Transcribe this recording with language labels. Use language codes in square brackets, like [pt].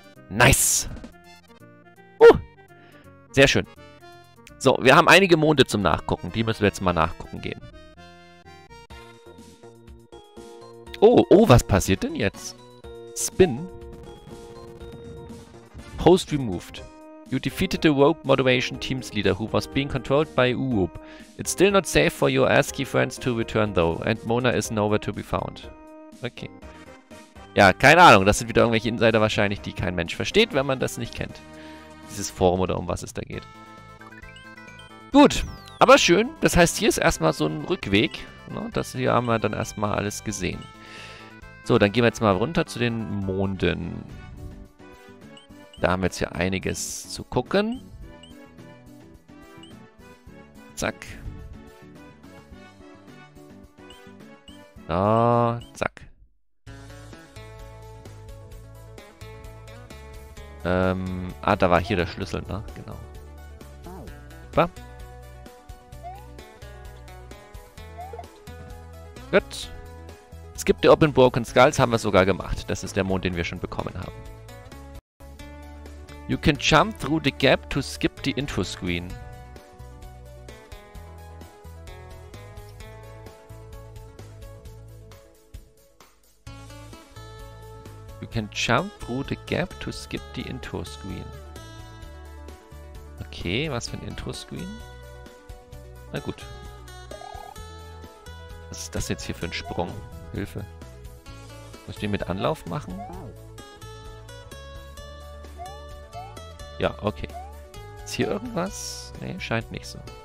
[en] Nice! [de] Sehr schön. So, wir haben einige Monde zum Nachgucken. Die müssen wir jetzt mal nachgucken gehen. Oh, was passiert denn jetzt? [en] Spin. Post removed. You defeated the Rogue Motivation Team's leader, who was being controlled by Uub. It's still not safe for your ASCII friends to return, though. And Mona is nowhere to be found. [de] Okay. Ja, keine Ahnung. Das sind wieder irgendwelche Insider wahrscheinlich, die kein Mensch versteht, wenn man das nicht kennt. Dieses Forum oder um was es da geht. Gut, aber schön. Das heißt, hier ist erstmal so ein Rückweg. Ne? Das hier haben wir dann erstmal alles gesehen. So, dann gehen wir jetzt mal runter zu den Monden. Da haben wir jetzt hier einiges zu gucken. Zack. Ah, zack. Da war hier der Schlüssel, ne? Genau. Super. Gut. Es gibt die Open Broken Skulls, haben wir sogar gemacht. Das ist der Mond, den wir schon bekommen haben. [en] You can jump through the gap to skip the info screen. You can jump through the gap to skip the info screen. [de] Okay, was für ein info screen? Na gut. Was ist das jetzt hier für ein Sprung? Hilfe. Muss ich den mit Anlauf machen? Ja, okay. Ist hier irgendwas? Nee, scheint nicht so.